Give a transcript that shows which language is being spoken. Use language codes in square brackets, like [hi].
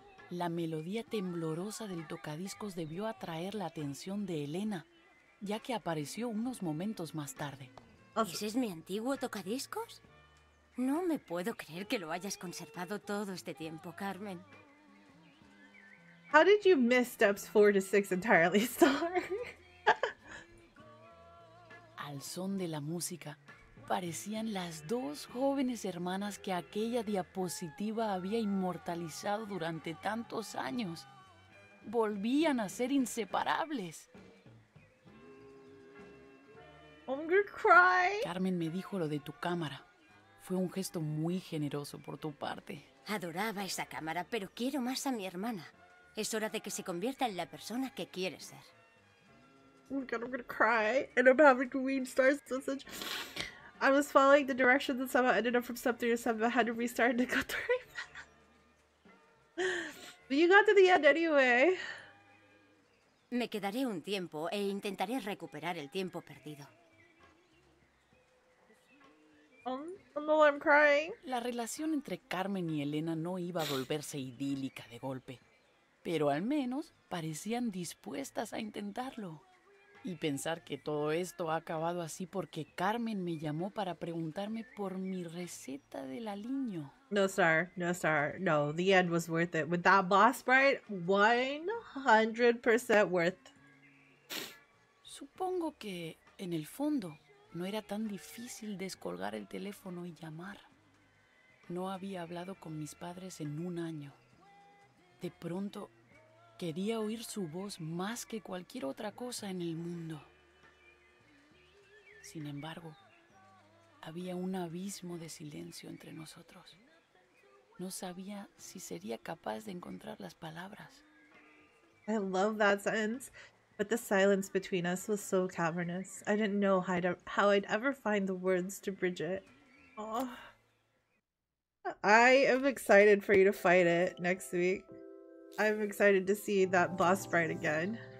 [es] La melodía temblorosa del tocadiscos debió atraer la atención de Elena, ya que apareció unos momentos más tarde. ¿Ese es mi antiguo tocadiscos? No me puedo creer que lo hayas conservado todo este tiempo, Carmen. [en] How did you miss steps 4 to 6 entirely, Star? [es] Al son de la música, parecían las dos jóvenes hermanas que aquella diapositiva había inmortalizado durante tantos años. Volvían a ser inseparables. [en] I'm gonna cry. [es] Carmen me dijo lo de tu cámara. Fue un gesto muy generoso por tu parte. Adoraba esa cámara, pero quiero más a mi hermana. Es hora de que se convierta en la persona que quiere ser. [en] Oh my god, I'm gonna cry. And I'm having green stars. I was following the direction that somehow ended up from step 3 to 7, but had to restart and cut the right path. But you got to the end anyway. [es] Me quedaré un tiempo e intentaré recuperar el tiempo perdido. [en] I'm crying. [es] La relación entre Carmen y Elena no iba a volverse idílica de golpe, pero al menos parecían dispuestas a intentarlo. Y pensar que todo esto ha acabado así porque Carmen me llamó para preguntarme por mi receta del aliño. [en] No, Star. No, Star. No, the end was worth it. With that boss fight, 100% worth. [es] Supongo que, en el fondo, no era tan difícil descolgar el teléfono y llamar. No había hablado con mis padres en un año. De pronto, quería oír su voz más que cualquier otra cosa en el mundo. Sin embargo, había un abismo de silencio entre nosotros. No sabía si sería capaz de encontrar las palabras. [en] I love that sentence, but the silence between us was so cavernous. I didn't know how I'd ever find the words to bridge it. Oh. I am excited for you to fight it next week. I'm excited to see that boss fight again.